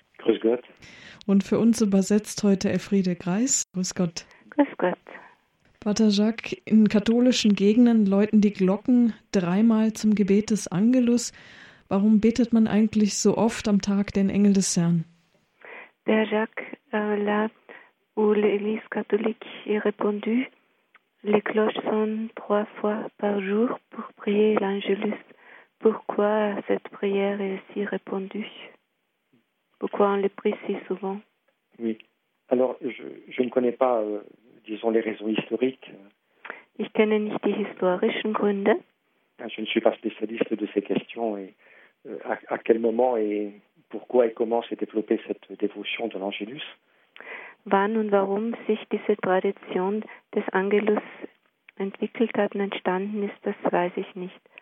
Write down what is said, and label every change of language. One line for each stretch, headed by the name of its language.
German: Grüß Gott. Und für uns übersetzt heute Elfriede Greis. Grüß Gott. Grüß Gott. Pater Jacques, in katholischen Gegenden läuten die Glocken dreimal zum Gebet des Angelus. Warum betet man eigentlich so oft am Tag den Engel des Herrn?
French: Père Jacques, là où l'Église catholique est répandue, les cloches sonnent trois fois par jour pour prier l'Angelus. Pourquoi cette prière est si répandue? Pourquoi on les prie si souvent? Oui. Alors, je ne connais pas, disons, les raisons historiques.
German: Ich kenne nicht die historischen Gründe.
French: Je ne suis pas spécialiste de ces questions et à quel moment et pourquoi et comment s'est développée cette dévotion de l'Angelus?
German: Wann und warum sich diese Tradition des Angelus entwickelt hat und entstanden ist, das weiß ich nicht.